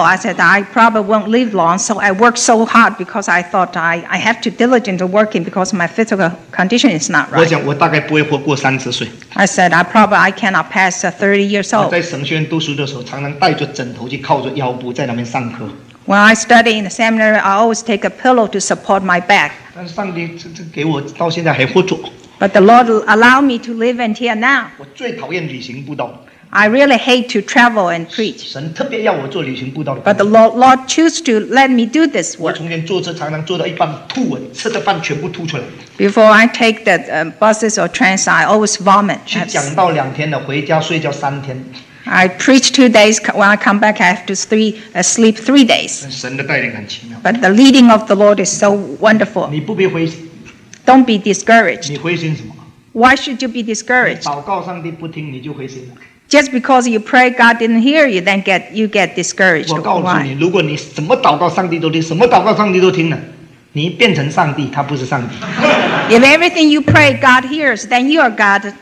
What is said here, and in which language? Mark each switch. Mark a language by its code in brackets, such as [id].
[en] I said I probably won't live long, so I worked so hard because I thought I have to diligently working because my physical condition is not right. [zh] 我想我大概不会活过30岁。 [en] I said I probably I cannot pass 30 years old. [zh] 我在神学院读书的时候，常常带着枕头去靠着腰部在那边上课。 [en] When I study in the seminary, I always take a pillow to support my back. [zh] 但是上帝给我到现在还活着。 [en] But the Lord allowed me to live until now. [zh] 我最讨厌旅行布道。 [en] I really hate to travel and preach. [zh] 神特别要我做旅行布道的。 [en] But the Lord choose to let me do this work. [zh] 我从前坐车常常坐到一半吐，吃的饭全部吐出来。 [en] Before I take the buses or trains, I always vomit. [zh] 去讲道2天的，回家睡觉3天。 [en] I preach 2 days. When I come back, I have to sleep 3 days. [zh] 神的带领很奇妙。 [en] But the leading of the Lord is so wonderful. [zh] 你不必灰心。 [en] Don't be discouraged. [zh] 你灰心什么？ [en] Why should you be discouraged? [zh] 你祷告上帝不听，你就灰心了。 [en] Just because you pray God didn't hear you, then you get discouraged. [zh] 我告诉你，如果你什么祷告上帝都听，什么祷告上帝都听了，你变成上帝，他不是上帝。 [en] If everything you pray, God hears, then you are God.